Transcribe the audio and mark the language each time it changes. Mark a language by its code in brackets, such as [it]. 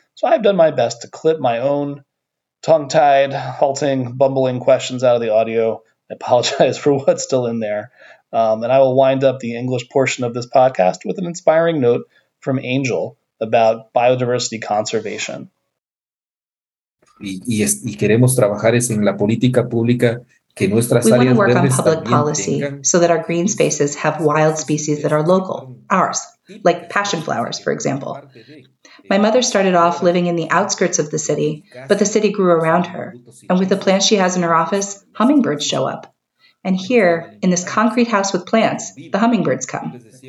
[en] So I've done my best to clip my own tongue-tied, halting, bumbling questions out of the audio. I apologize for what's still in there. And I will wind up the English portion of this podcast with an inspiring note from Angel about biodiversity conservation. [es] Y queremos trabajar es en la política pública. [en] We want to work on public policy so that our green spaces have wild species that are local, ours, like passion flowers, for example. My mother started off living in the outskirts of the city, but the city grew around her. And with the plants she has in her office, hummingbirds show up. And here, in this concrete house with plants, the hummingbirds come.